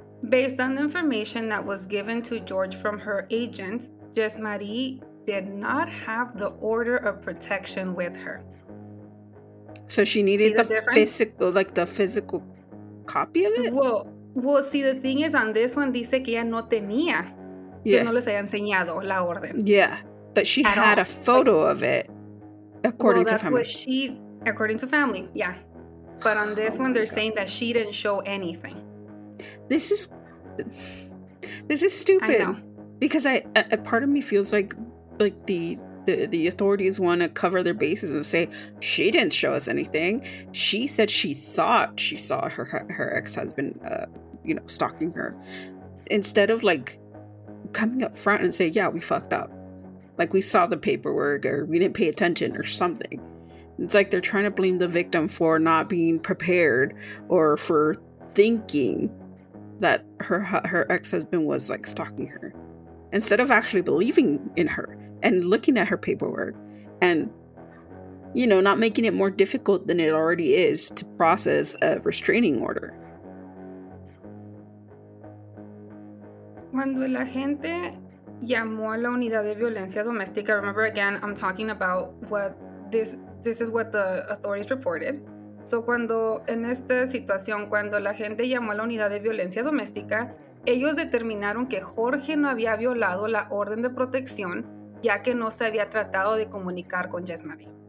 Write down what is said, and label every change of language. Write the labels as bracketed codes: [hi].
[en] Based on the information that was given to George from her agents, Jesmarie did not have the order of protection with her. So she needed the physical copy of it? Well, see, the thing is, on this one, dice que ella no tenía. [es] Yeah. Que no les haya enseñado la orden. [en] Yeah. But she had a photo of it, according to family. Well, that's what she, according to family, yeah. But on this one, they're saying that she didn't show anything. This is stupid. I know. Because a part of me feels like the authorities want to cover their bases and say, she didn't show us anything. She said she thought she saw her ex-husband, stalking her. Instead of, coming up front and say, yeah, we fucked up. Like, we saw the paperwork or we didn't pay attention or something. It's like they're trying to blame the victim for not being prepared or for thinking that her ex-husband was, stalking her. Instead of actually believing in her and looking at her paperwork and, not making it more difficult than it already is to process a restraining order. [es] Cuando la gente llamó a la unidad de violencia doméstica. [en] Remember, again, I'm talking about what this is what the authorities reported. [es] So cuando en esta situación, cuando la gente llamó a la unidad de violencia doméstica, ellos determinaron que Jorge no había violado la orden de protección, ya que no se había tratado de comunicar con Jesmarie.